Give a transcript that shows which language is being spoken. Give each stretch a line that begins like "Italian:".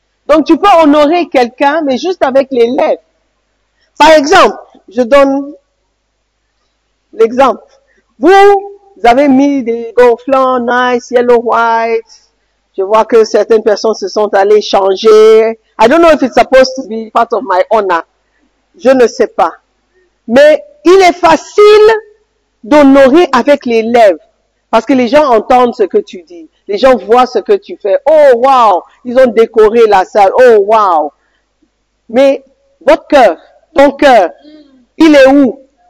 French: Donc tu peux honorer quelqu'un, mais juste avec les lèvres. Par exemple, je donne l'exemple. Vous avez mis des gonflants
English: nice, yellow, white.
French: Je vois que certaines personnes se sont allées changer.
English: I don't know if it's supposed to be part of my honor.
French: Je ne sais pas. Mais il est facile d'honorer avec les lèvres. Parce que les gens entendent ce que tu dis. Les gens voient ce que tu fais.
English: Oh, wow!
French: Ils ont décoré la salle.
English: Oh, wow!
French: Mais votre cœur, ton cœur, il est où?